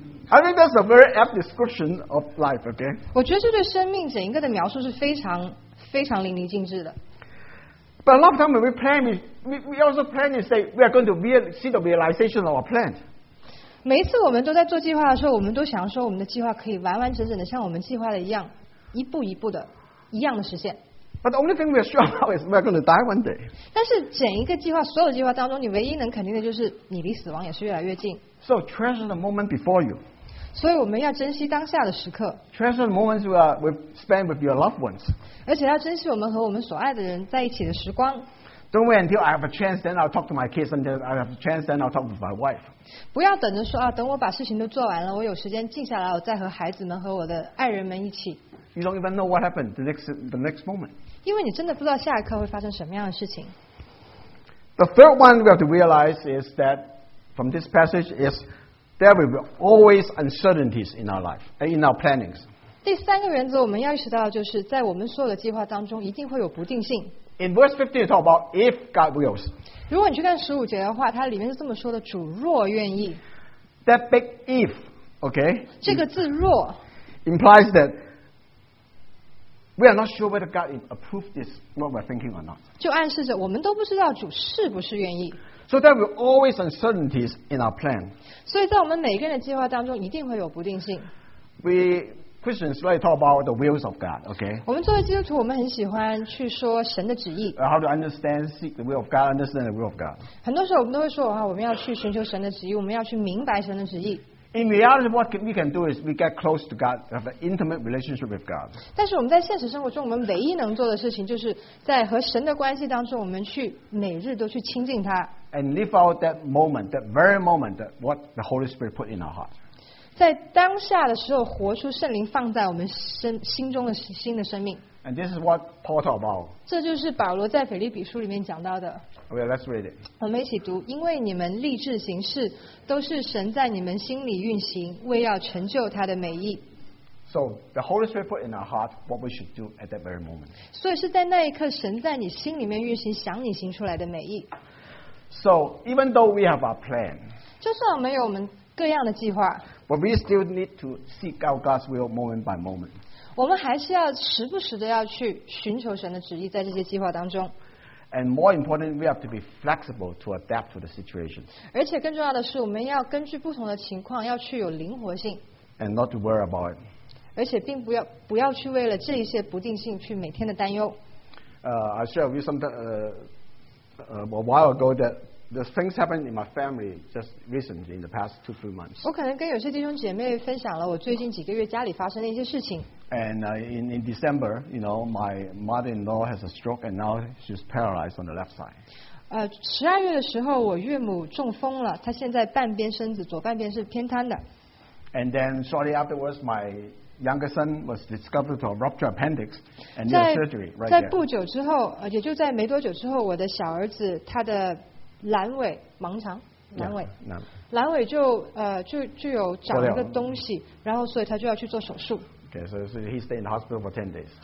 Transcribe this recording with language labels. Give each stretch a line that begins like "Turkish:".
English: I think that's a very apt description of life. OK。
Chinese: 我觉得这对生命整一个的描述是非常非常淋漓尽致的。
English: But a lot of time when we plan, we also plan and say we are going to see the realization of our plan.
Chinese: 每一次我们都在做计划的时候，我们都想说我们的计划可以完完整整的像我们计划的一样，一步一步的，一样的实现。
English: But the only thing we are sure about is we are going to die one day.
Chinese: 但是整一个计划，所有计划当中，你唯一能肯定的就是你离死亡也是越来越近。
English: So treasure the moment before you.
Chinese: 所以我们要珍惜当下的时刻。
English: Treasure the moments we spend with your loved ones.
Chinese: 而且要珍惜我们和我们所爱的人在一起的时光。
English: Don't wait until I have a chance, then I'll talk to my kids. Until I have a chance, then I'll talk with my wife.
Chinese: 不要等着说啊，等我把事情都做完了，我有时间静下来，我再和孩子们和我的爱人们一起。
English: You don't even know what happened the next moment.
Chinese: 因为你真的不知道下一刻会发生什么样的事情。
English: The third one we have to realize is that from this passage is there will be always uncertainties in our life, in our plannings.
Chinese: 第三个原则我们要意识到就是在我们所有的计划当中一定会有不定性。
English: In verse 15 it talks about if God wills.
Chinese: 如果你去看十五节的话，它里面是这么说的，主若愿意。
English: That big if, okay,
Chinese: 这个字若
English: implies that we are not sure whether God approved this, what we're thinking or not.
Chinese: 就暗示着我们都不知道主是不是愿意。
English: So there will always uncertainties in our plan.
Chinese: 所以在我们每个人的计划当中一定会有不定性。
English: WeChristians like to talk about the wills of God, okay?
Chinese: 我们作为基督徒，我们很喜欢去说神的旨意。
English: How to understand, seek the will of God, understand the will of God.
Chinese: 很多时候我们都会说，我们要去寻求神的旨意，我们要去明白神的旨意。
English: In reality, what we can do is we get close to God, have an intimate relationship with God.
Chinese: 但是我们在现实生活中，我们唯一能做的事情，就是在和神的关系当中，我们去每日都去亲近他。
English: And live out that moment, that very moment, that what the Holy Spirit put in our heart.
Chinese: 在当下的时候，活出圣灵放在我们心中的新的生命。
English: And this is what Paul talked about.
Chinese: 这就是保罗在腓立比书里面讲到的。
English: Okay, let's read it.
Chinese: 我们一起读，因为你们立志行事，都是神在你们心里运行，为要成就他的美意。
English: So the Holy Spirit put in our heart what we should do at that very moment.
Chinese: 所以是在那一刻，神在你心里面运行，想你行出来的美意。
English: So even though we have our plan,
Chinese: 就算我们有我们各样的计划
English: ，but we still need to seek out God's will moment by moment.
Chinese: 我们还是要时不时的要去寻求神的旨意，在这些计划当中。
English: And more important, we have to be flexible to adapt to the situation.
Chinese: 而且更重要的是，我们要根据不同的情况，要去有灵活性。
English: And not to worry about it.
Chinese: 而且并不要去为了这一些不定性去每天的担忧。
English: I share with some a while ago that the things happened in my family just recently in the past 2-3 months.
Chinese: 我可能跟有些弟兄姐妹分享了我最近几个月家里发生的一些事情。
English: And in December, you know, my mother-in-law has a stroke and now she's paralyzed on the left side.
Chinese: 十二月的时候，我岳母中风了，她现在半边身子左半边是偏瘫的。
English: And then shortly afterwards, my younger son was discovered to have ruptured appendix and need surgery right there.
Chinese: 在不久之后，也就在没多久之后，我的小儿子他的阑尾盲肠阑尾 阑尾就有长了个东西，然后所以他就要去做手术。
English: Okay, so he stayed in the hospital for 10 days.